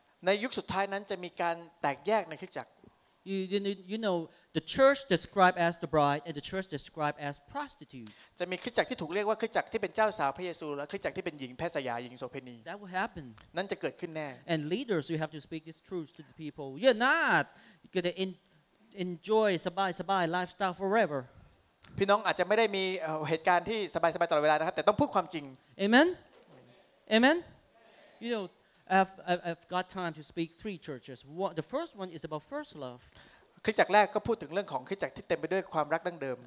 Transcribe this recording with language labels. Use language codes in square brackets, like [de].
[th] ในยุคสุดท้ายนั้นจะมีการแตกแยกในคริสตจักร [en] you know the church described as the bride and the church described as prostitute [th] จะมีคริสตจักรที่ถูกเรียกว่าคริสตจักรที่เป็นเจ้าสาวพระเยซูและคริสตจักรที่เป็นหญิงแพทย์สยาหญิงโสเภณี [en] that will happen [th] นั่นจะเกิดขึ้นแน่ [en] and leaders you have to speak this truth to the people you're not going to enjoy สบาย lifestyle forever [th] พี่น้องอาจจะไม่ได้มีเหตุการณ์ที่สบายๆตลอดเวลานะครับแต่ต้องพูดความจริง [en] Amen Amen You know I've got time to speak three churches What, the first one is about first love [th] คริสตจักรแรกก็พูดถึงเรื่องของคริสตจักรที่เต็มไปด้วยความรักดั้งเดิม